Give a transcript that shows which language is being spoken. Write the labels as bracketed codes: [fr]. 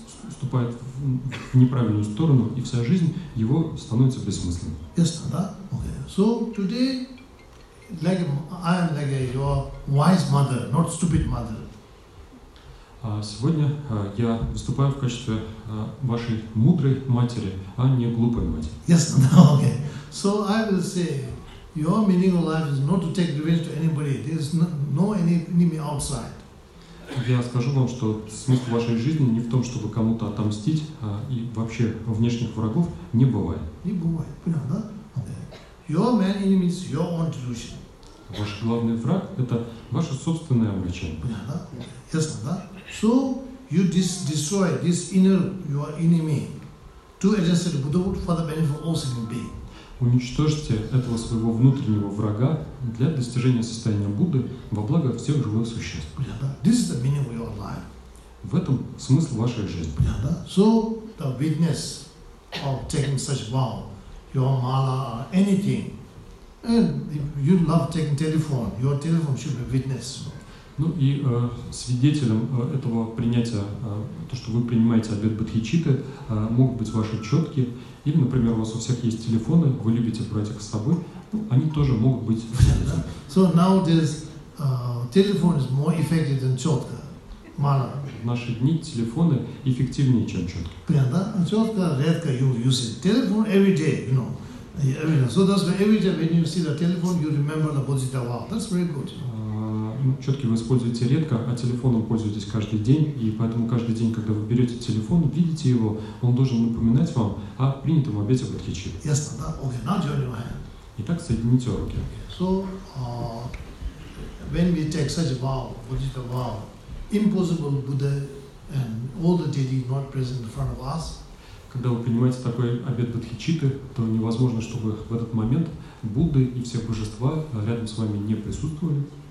[ru] вступает в неправильную сторону, и вся жизнь его становится бессмысленной. Ясно, да? [en] Okay. So today, like I am like your wise mother, not stupid mother. [ru] Сегодня я выступаю в качестве вашей мудрой матери, а не глупой матери. Ясно, да? [en] Okay. So I will say, your meaning of life is not to take revenge to anybody. There is no enemy outside. [ru] Я скажу вам, что смысл вашей жизни не в том, чтобы кому-то отомстить, и вообще внешних врагов не бывает. Не бывает, понял, да? [en] Your main enemy is your own delusion. [ru] Ваш главный враг – это ваше собственное увлечение. Понял, да? Ясно, да? [en] So you destroy this inner your enemy to adjust the Buddha for the benefit of all sentient beings. [ru] Уничтожьте этого своего внутреннего врага для достижения состояния Будды во благо всех живых существ. [en] This is the meaning of your life. [ru] В этом смысл вашей жизни. Понятно? [en] So the witness of taking such vow, your mala or anything, and if you love taking telephone, your telephone should be witness. [ru] Ну и свидетелем этого принятия, то, что вы принимаете обет бодхичитты, могут быть ваши четки. Или, например, у вас у всех есть телефоны, вы любите брать их с собой, ну, они тоже могут быть свидетелями. [en] So nowadays telephone is more effective than четка, мала. [ru] В наши дни телефоны эффективнее, чем четки. Понятно? Четка редко [en] you use it. Telephone every day, you know. Every day. So that's why every day when you see the telephone, you remember the bodhicitta vow. That's very good. [ru] Четки вы используете редко, а телефоном пользуетесь каждый день, и поэтому каждый день, когда вы берете телефон, видите его, он должен напоминать вам о принятом обете бодхичитты. Ясно, да? [en] Okay, now join your hand. [ru] Итак, соедините руки. [en] So, when we take such a vow, bodhicitta vow, impossible Buddha and all the deity not present in front of us. [ru] Когда вы принимаете такой обет бодхичитты, то невозможно, чтобы в этот момент Будды и все божества рядом с вами не присутствовали.